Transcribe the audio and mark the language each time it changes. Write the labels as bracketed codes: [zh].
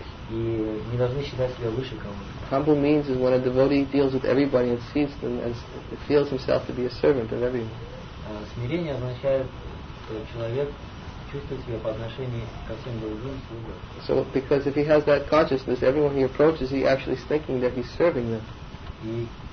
[en] Humble means is when a devotee deals with everybody and sees them as feels himself to be a servant of everyone. [ru] Смирение означает, что человек чувствует себя по отношению ко всем другим. [en] So because if he has that consciousness, everyone he approaches, he actually is thinking that he's serving them.